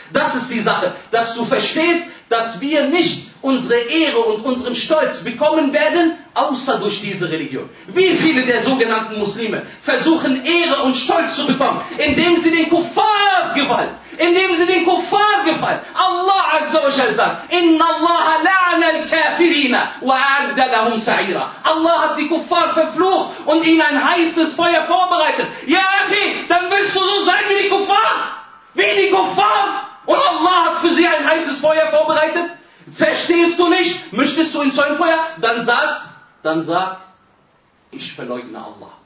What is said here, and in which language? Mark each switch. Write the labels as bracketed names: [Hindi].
[German] Das ist die Sache, dass du verstehst, dass wir nicht unsere Ehre und unseren Stolz bekommen werden, außer durch diese Religion. Wie viele der sogenannten Muslime versuchen, Ehre und Stolz zu bekommen, indem sie den Kuffar gefallen. Indem sie den Kuffar gefallen. [Arabic] Allah Azza wa Jalla sagt, إِنَّ اللَّهَ لَعْنَ الْكَافِرِينَ وَأَعْدَ لَهُمْ سَعِيرًا. [German] Allah hat die Kuffar verflucht und ihnen ein heißes Feuer vorbereitet. Ja, okay, dann willst du so sein wie die Kuffar? Wie die Kuffar? Und Allah hat für sie ein heißes Feuer vorbereitet? Verstehst du nicht? Möchtest du ins Feuer? Dann sag, ich verleugne Allah.